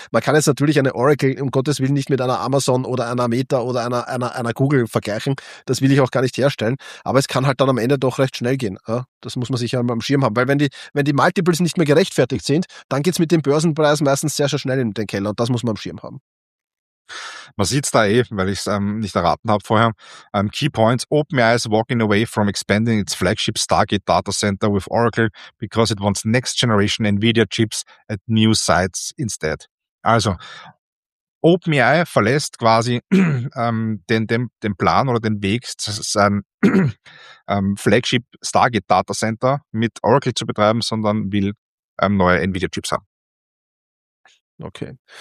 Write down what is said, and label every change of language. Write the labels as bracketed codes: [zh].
[de] Man kann jetzt natürlich eine Oracle, um Gottes Willen, nicht mit einer Amazon oder einer Meta oder einer Google vergleichen. Das will ich auch gar nicht herstellen. Aber es kann halt dann am Ende doch recht schnell gehen. Ja, das muss man sich ja am Schirm haben, weil wenn die Multiples nicht mehr gerechtfertigt sind, dann geht es mit dem Börsenpreis meistens sehr, sehr schnell in den Keller und das muss man am Schirm haben. Man sieht es da eh, weil ich es nicht erraten habe vorher. [en] Key Points, OpenAI is walking away from expanding its flagship Stargate Data Center with Oracle because it wants next generation Nvidia chips at new sites instead. [de] Also, OpenAI verlässt quasi den Plan oder den Weg, sein Flagship Stargate Data Center mit Oracle zu betreiben, sondern will neue Nvidia Chips haben. Okay.